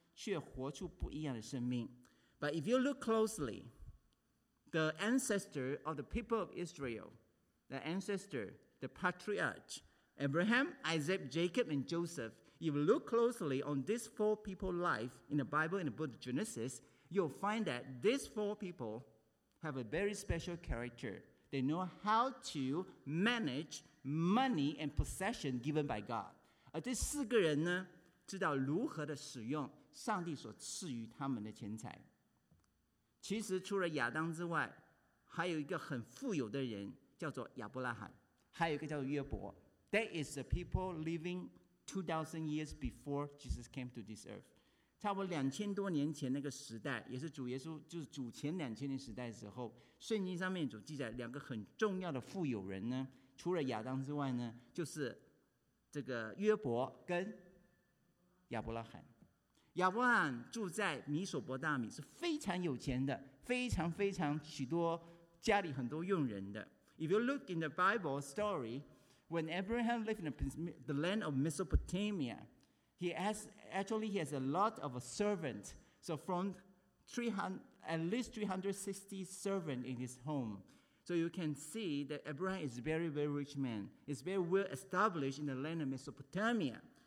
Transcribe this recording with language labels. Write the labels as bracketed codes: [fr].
[zh] 从他们的先，他们第一个亚当都是一个贪心历史，但是神很有怜悯，神选召了亚伯拉罕、以撒、雅各跟这个约瑟这四个人，在我们生命当中却活出不一样的生命。 [en] But if you look closely, the ancestor of the people of Israel, the ancestor, the patriarch, Abraham, Isaac, Jacob, and Joseph, if you look closely on these four people's life in the Bible, in the book of Genesis, you'll find that these four people have a very special character. They know how to manage money and possession given by God. [zh] 而这四个人呢， 知道如何的使用上帝所赐予他们的钱财。其实除了亚当之外， 还有一个很富有的人， 叫做亚伯拉罕， 还有一个叫约伯。 [en] That is the people living 2,000 years before Jesus came to this earth. [zh] 差不多2,000多年前那个时代， 也是主耶稣，就是主前2,000年时代的时候， 圣经上面主记载两个很重要的富有人呢， 除了亚当之外呢， 就是这个约伯跟亚伯拉罕。亚伯拉罕住在米索伯大米，是非常有钱的，非常非常许多家里很多佣人的。 [en] If you look in the Bible story, when Abraham lived in the land of Mesopotamia, he has a lot of servants. So from at least 360 servants in his home. So you can see that Abraham is a very, very rich man. He's very well established in the land of Mesopotamia.